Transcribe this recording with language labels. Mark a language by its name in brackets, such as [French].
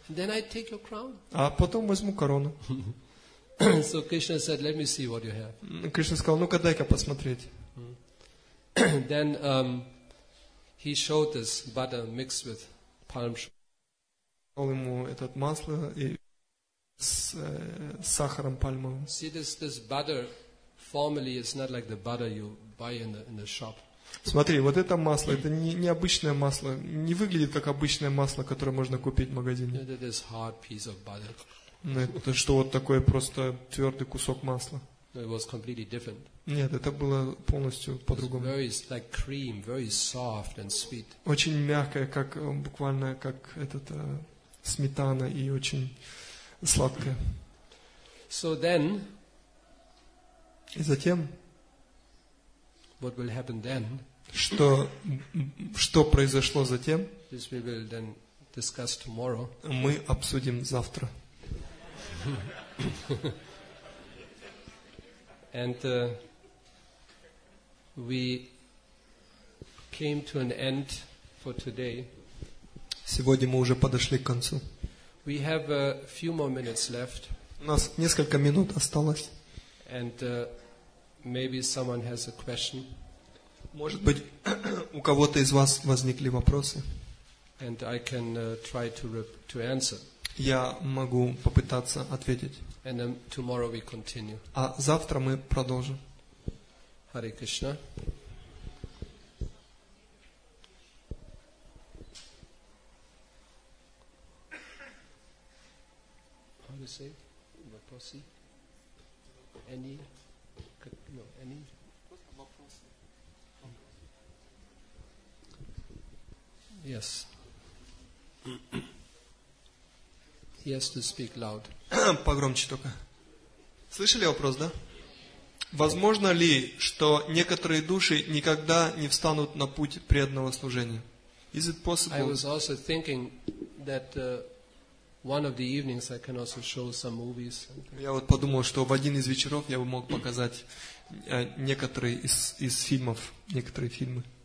[English] Then I take your crown. [Russian] А потом возьму корону. [English] So Krishna said, "Let me see what you have." [Russian] Кришна сказал, ну-ка дай-ка посмотреть. [English] Then he showed this butter mixed with palm sugar. [Russian] Он ему этот масло и с сахаром пальмовым. [English] See this butter formally is not like the butter you buy in the shop. [Russian] Смотри, вот это масло, это не обычное масло, не выглядит как обычное масло, которое можно купить в магазине. [English] It is hard piece of butter. [Russian] Это что, вот такой просто твердый кусок масла? [English] It was completely different. [Russian] Нет, это было полностью по-другому. [English] Very, like cream, very soft and sweet. [Russian] Очень мягкое, как буквально как этот, сметана и очень сладкое. [English] So then, [Russian] и затем, [English] what will happen then, [Russian] что произошло затем, [English] this we will then discuss tomorrow. [Russian] Мы обсудим завтра. [English] And we came to an end for today. [Russian] Сегодня мы уже подошли к концу. [English] We have a few more minutes left. [Russian] У нас несколько минут осталось. [English] And maybe someone has a question. [Russian] Может быть, у кого-то из вас возникли вопросы? [English] And I can try to answer. [Russian] Я могу попытаться ответить. [English] And then tomorrow we continue. [Russian] А завтра мы продолжим. [English] Hare Krishna. How to say? [Russian] Вопросы? [English] Any? No, any? Yes. He has to speak loud. [Russian] Погромче только. Слышали вопрос, да? Возможно ли, что некоторые души никогда не встанут на путь преданного служения? [English] Is it possible? I was also thinking that one of the evenings I can also show some movies. [Russian] Я вот подумал, что в один из вечеров я бы мог показать некоторые из фильмов, некоторые фильмы.